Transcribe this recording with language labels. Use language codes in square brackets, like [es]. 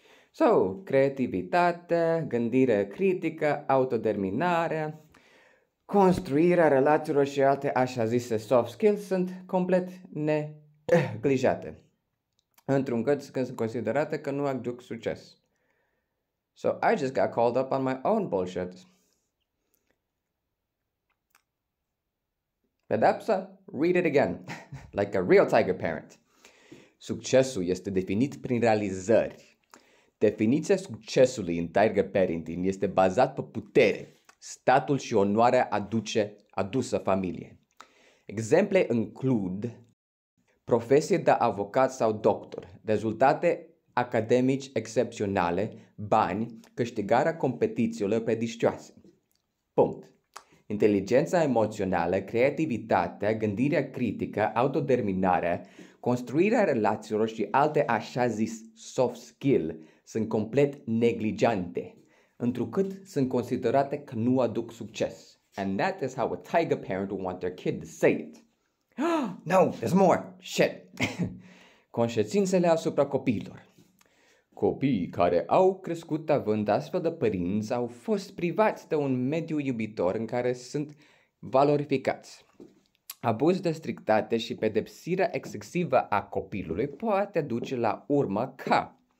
[ro] So, creativitate, gândire critică, autodeterminare, construirea relațiilor și alte așa zise soft skills sunt complet neglijate. Într-un cât când sunt considerate că nu aduc succes. [en] So, I just got called up on my own bullshit. Pedepsa? Read it again. Like a real tiger parent. [ro] Succesul este definit prin realizări. Definiția succesului în Tiger Parenting este bazat pe putere, statul și onoarea adusă familie. Exemple includ profesie de avocat sau doctor, rezultate academici excepționale, bani, câștigarea competițiilor prestigioase. Punct. Inteligența emoțională, creativitatea, gândirea critică, autodeterminarea, construirea relațiilor și alte așa zis soft skill sunt complet neglijante. întrucât sunt considerate că nu aduc succes. [en] And that is how a tiger parent will want their kid to say it. No, there's more! Shit! [ro] Conștiințele asupra copiilor. Copiii care au crescut având astfel de părinți au fost privați de un mediu iubitor în care sunt valorificați. Abuz de strictate și pedepsirea excesivă a copilului poate duce la urmă ca